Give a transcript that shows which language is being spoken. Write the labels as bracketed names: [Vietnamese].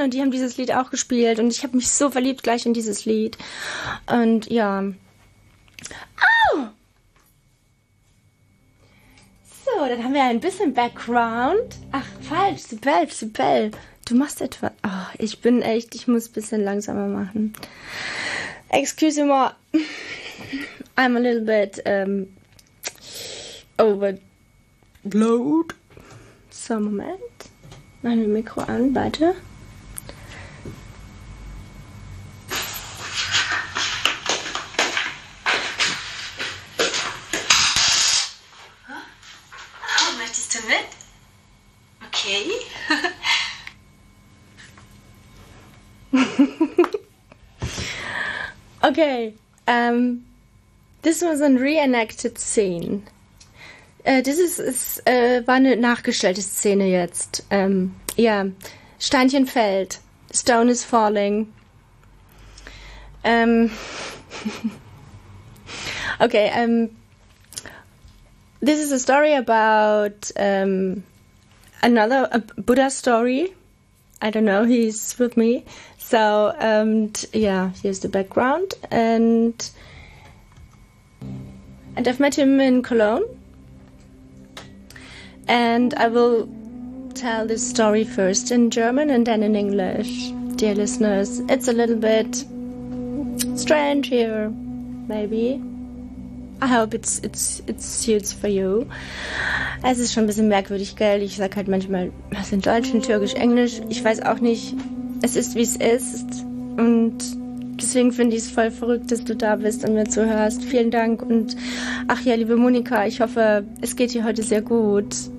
[German] Und die haben dieses Lied auch gespielt. Und ich habe mich so verliebt gleich in dieses Lied. Und ja. So, dann haben wir ein bisschen Background. Ach, falsch, Sibel, du machst etwas. Oh, ich bin echt, ich muss ein bisschen langsamer machen. [English] Excuse me, I'm a little bit overload. [German] So, Moment, machen wir Mikro an, warte. [English] Okay, this was a reenacted scene. [German] War eine nachgestellte Szene jetzt. [English] Ja, yeah. [German] Steinchen fällt. [English] Stone is falling. okay, this is a story about another Buddha story. I don't know, he's with me. So, yeah, here's the background, and I've met him in Cologne, and I will tell this story first in German and then in English. Dear listeners, it's a little bit strange here, maybe. I hope it suits for you. [German] Es ist schon ein bisschen merkwürdig, gell? Ich sag halt manchmal was in Deutsch, in Türkisch, Englisch, ich weiß auch nicht. Es ist, wie es ist. Und deswegen finde ich es voll verrückt, dass du da bist und mir zuhörst. Vielen Dank. Und ach ja, liebe Monika, ich hoffe, es geht dir heute sehr gut.